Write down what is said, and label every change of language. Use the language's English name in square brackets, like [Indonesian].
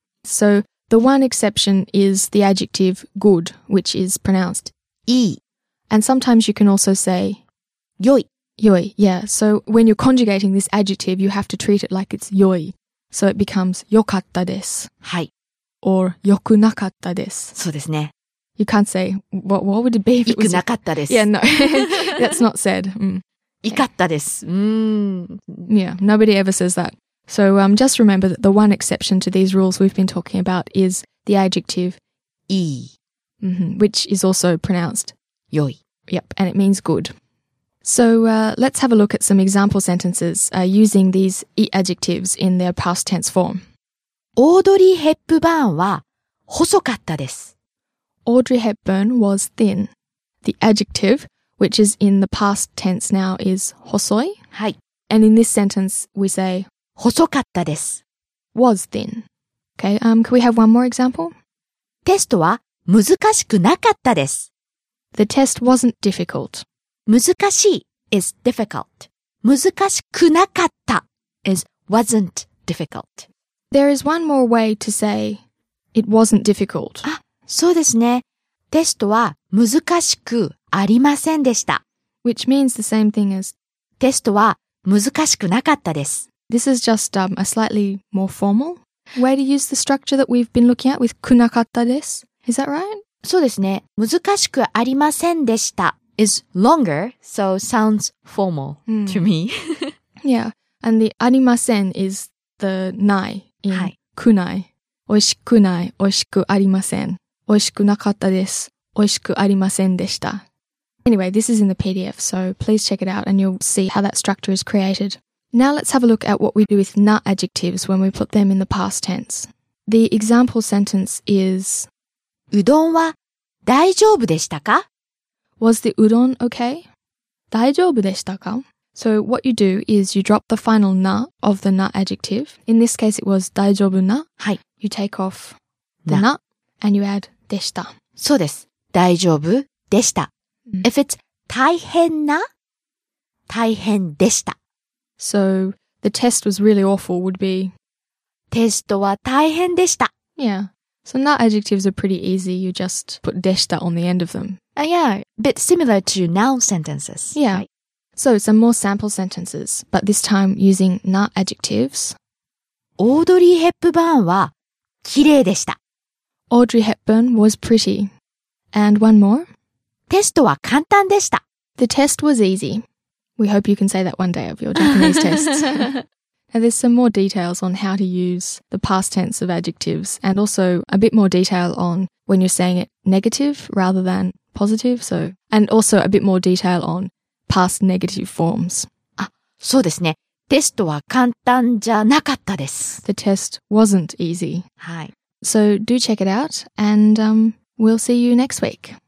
[English] So the one exception is the adjective good, which is pronounced [Japanese] いい. [English] And sometimes you can also say [Japanese] よい. よい, yeah. [English] So when you're conjugating this adjective, you have to treat it like it's よい. So it becomes よかったです. [Japanese] はい. Or よくなかったです. そうですね。 [English] You can't say, what would it be if it was... [Japanese] いくなかったです. [English] Yeah, no, that's not said. [Japanese] いかったです. [English] Yeah, nobody ever says that. So just remember that the one exception to these rules we've been talking about is the adjective [Japanese] いい. [English] Mm-hmm, which is also pronounced [Japanese] よい. [English] Yep, and it means good. So let's have a look at some example sentences using these い adjectives in their past tense form. [Japanese] オードリー・ヘップバーンは細かったです。 [English] Audrey Hepburn was thin. The adjective, which is in the past tense now, is 細. [Japanese] はい. [English] And in this sentence, we say [Japanese] 細かったです. [English] Was thin. Okay, can we have one more example? [Japanese] テストは難しくなかったです. [English] The test wasn't difficult. 難しい is difficult. 難しくなかった is wasn't difficult. There is one more way to say it wasn't difficult. [Japanese] あそうですね。テストは難しくありませんでした。 [English] Which means the same thing as [Japanese] テストは難しくなかったです。 [English] This is just a slightly more formal way to use the structure that we've been looking at with くなかったです。 Is that right? [Japanese] そうですね。 [English] 難しくありませんでした is longer, so sounds formal to me. Yeah, and the ありません is the ない in、はい、くない。 [Japanese] おいしくない、おいしくありません。おいしくなかったです。おいしくありませんでした。 [English] Anyway, this is in the PDF, so please check it out and you'll see how that structure is created. Now let's have a look at what we do with な adjectives when we put them in the past tense. The example sentence is [Japanese] うどんは大丈夫でしたか? [English] Was the うどん okay? [Japanese] 大丈夫でしたか? [English] So what you do is you drop the final な of the な adjective. In this case, it was 大丈夫な? [Japanese] はい。 [English] You take off the な and you add でした。 [Japanese] そうです。大丈夫でした。Mm. [English] If it's [Japanese] 大変な、大変でした。 [English] So the test was really awful would be [Japanese] テストは大変でした。 [English] Yeah. So な adjectives are pretty easy. You just put でした on the end of them. Yeah. Bit similar to noun sentences. Yeah. Right? So some more sample sentences, but this time using な adjectives. [Japanese] オードリー・ヘップバーンは綺麗でした。 [English] Audrey Hepburn was pretty. And one more. [Japanese] テストは簡単でした。 [English] The test was easy. We hope you can say that one day of your Japanese tests. Now there's some more details on how to use the past tense of adjectives and also a bit more detail on when you're saying it negative rather than positive. So, and also a bit more detail on past negative forms. [Japanese] あ、そうですね。テストは簡単じゃなかったです。 [English] The test wasn't easy. [Japanese] はい。 [English] So do check it out and we'll see you next week.